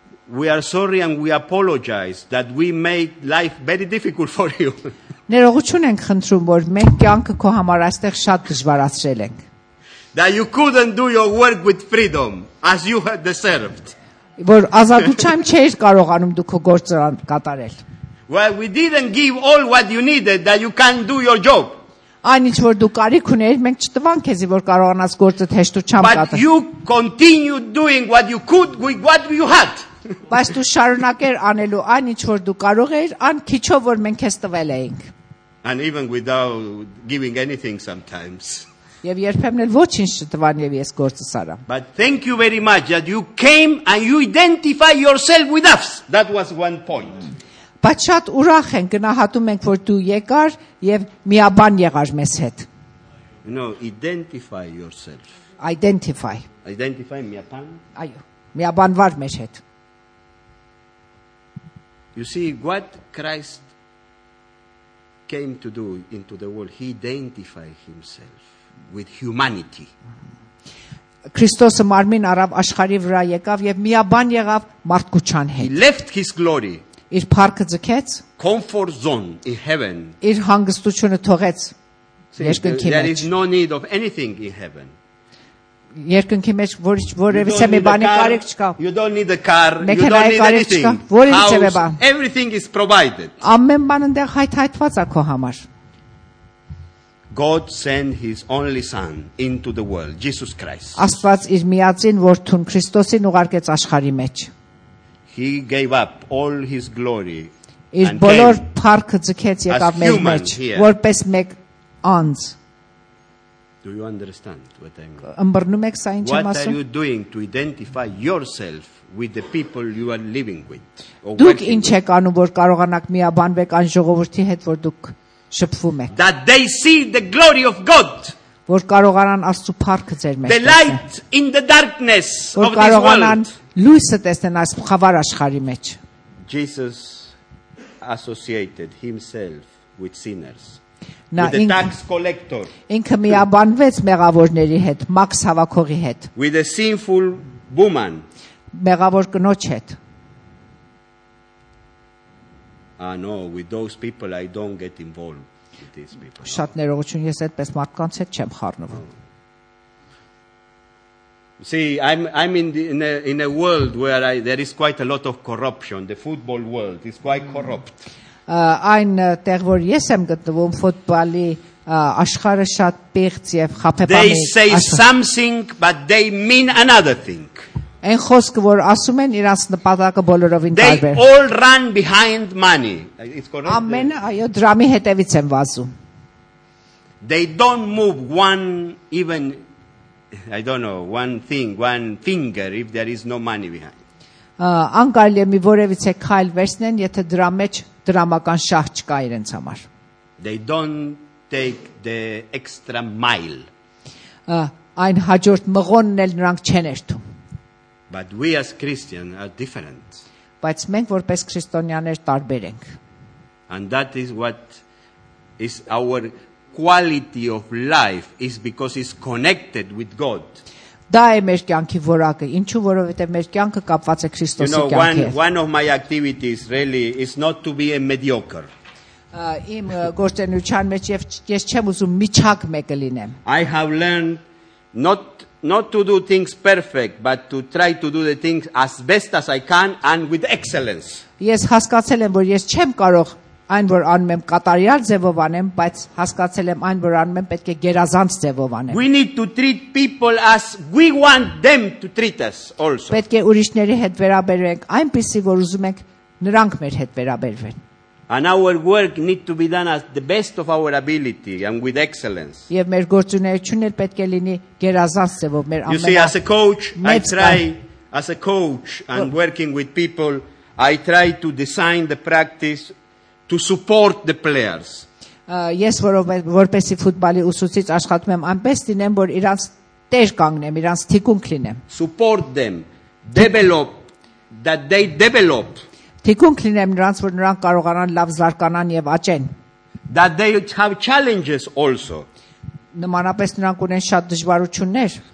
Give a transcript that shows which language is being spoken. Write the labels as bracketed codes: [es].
[en] We are sorry and we apologize that we made life very difficult for you. [hy] Ներողություն ենք խնդրում, որ մեր կյանքը քո համար այստեղ շատ դժվարացրել ենք։ [en] That you couldn't do your work with freedom as you had deserved. [hy] Որ ազատությամբ չէր կարողանում դու քո գործը կատարել. [en] Well, we didn't give all what you needed that you can do your job. [hy] Այնինչ որ դու կարիք ունեիր, մենք չտվանք քեզի, որ կարողանաս գործը հեշտությամբ կատարել. [en] But you continued doing what you could with what you had. [hy] Բայց դու շարունակեր անելու այնինչ որ դու կարող էիր, այն քիչով որ մենք քեզ տվել էինք. [en] And even without giving anything sometimes. [hy] Եվ երբեմն էլ ոչինչ չտվան եւ ես գործս արա։ [en] But thank you very much that you came and you identify yourself with us. That was one point. [hy] Բայց շատ ուրախ ենք, գնահատում ենք, որ դու եկար եւ միաբան եղար մեզ հետ։ [en] You know, identify yourself. Identify. Identify [hy] միաբան։ Այո, միաբան վար մեզ հետ։ [en] You see what Christ came to do into the world, he identified himself with humanity. [hy] Քրիստոսը մարմին առավ աշխարհի վրա եկավ եւ միաբան եղավ մարդկության հետ. [en] He left his glory. [hy] Իր փառքը ձգեց. [en] Comfort zone in heaven. [hy] Իր հանգստությունը թողեց երկնքի մեջ. [en] There is no need of anything in heaven. [hy] Երկնքի մեջ որևէ մի բանի կարիք չկա. [en] You don't need a car, you don't need anything. House, everything is provided. [hy] Ամեն բան այնտեղ հայթայթված է քո համար. [en] God sent his only son into the world, Jesus Christ. [hy] Աստված իր միածին որդուն Քրիստոսին ուղարկեց աշխարհի մեջ. [en] He gave up all his glory. [hy] Իր բոլոր փառքը ձգեց եկավ մեր մեջ, որպես մեկ անձ. [en] Do you understand what I mean? What are you doing to identify yourself with the people you are living with? [hy] Դուք ինչ եք անում, որ կարողանաք միաբանվեք այն ժողովրդի հետ, որ դուք շփվում եք? [en] That they see the glory of God. [hy] Որ կարողանան Աստծո փառքը ձեր մեջ տեսնել. [en] The light in the darkness of this world. [hy] Որ կարողանան լույսը տեսնել այս խավար աշխարհի մեջ. [en] Jesus associated himself with sinners. [hy] Նա [en] with the tax collector. [hy] Ինքը միաբանվեց մեղավորների հետ, մաքս հավաքողի հետ. [en] With a sinful woman. [hy] Մեղավոր կնոջ հետ. [en] No, with those people I don't get involved. These people. [hy] Շատ ներողություն, ես այդպես մարդկանց հետ չեմ խառնվում. [en] See, I'm in a world where there is quite a lot of corruption. The football world is quite corrupt. [hy] Այն տեղ, որ ես եմ գտնվում, ֆուտբոլի աշխարհը շատ պեղծ եւ խաբեբան է։ [en] They say something but they mean another thing. [hy] Այն խոսքը, որ ասում են, իրանց նպատակը բոլորովին տարբեր։ [en] They all run behind money. It's correct. [hy] Ամեն այո, դրամի հետևից են վազում։ [en] They don't move one even I don't know, one thing, one finger if there is no money behind. [hy] Ան կարելի է մի որևից է քայլ վերցնեն, եթե դրա մեջ դրամական շահ չկա իրենց համար։ [en] They don't take the extra mile. [hy] Այն հաջորդ մղոնն էլ նրանք չեն երթում։ [en] But we as Christians are different. [hy] Բայց մենք որպես քրիստոնյաներ տարբեր ենք։ [en] And that is what is our quality of life is because it's connected with God. [hy] Դա է մեր կյանքի որակը, ինչու որովհետև մեր կյանքը կապված է Քրիստոսի կյանքի հետ։ [en] You know, one of my activities really is not to be a mediocre. [hy] Իմ գործունեության մեջ ես չեմ ուզում միջակ մեկը լինեմ։ [en] I have learned not to do things perfect but to try to do the things as best as I can and with excellence. [hy] Ես հասկացել եմ, որ ես չեմ կարող այն, որ անում եմ կատարյալ ձևով անեմ, բայց հասկացել եմ այն, որ անում եմ պետք է գերազանց ձևով անեմ. [en] We need to treat people as we want them to treat us also. [hy] Պետք է ուրիշների հետ վերաբերվենք այնպիսի, որ ուզում ենք նրանք մեր հետ վերաբերվեն։ [en] And our work need to be done at the best of our ability and with excellence. [hy] Եվ մեր գործունեությունն էլ պետք է լինի գերազանց ձևով մեր ամենը։ [en] You see, as a coach, I try as a coach and working with people, I try to design the practice to support the players. [hy] Ես որպեսի ֆուտբոլի ուսուցիչ աշխատում եմ այնպես դինեմ, որ իրանց տեր կանգնեմ, իրանց թիկունք լինեմ. [en] Support them, develop that they develop. [hy] Թիկունք լինեմ նրանց, որ նրանք կարողանան լավ զարգանան եւ աճեն։ [en] That they have challenges also. [hy] Նմանապես նրանք ունեն շատ դժվարություններ։